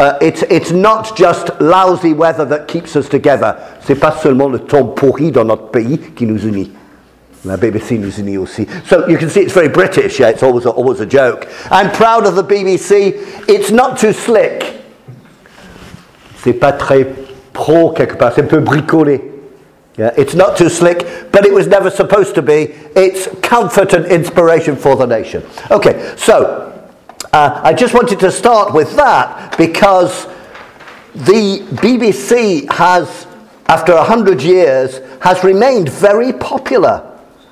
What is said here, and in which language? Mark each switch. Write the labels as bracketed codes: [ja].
[en] It's not just lousy weather that keeps us together. [fr] C'est pas seulement le temps pourri dans notre pays qui nous unit. La BBC nous unit aussi. [en] So you can see it's very British. Yeah, it's always a joke. I'm proud of the BBC. It's not too slick. [fr] C'est pas très pro quelque part, c'est un peu bricolé. [en] Yeah, it's not too slick, but it was never supposed to be. It's comfort and inspiration for the nation. Okay, so I just wanted to start with that because the BBC has, after 100 years, has remained very popular.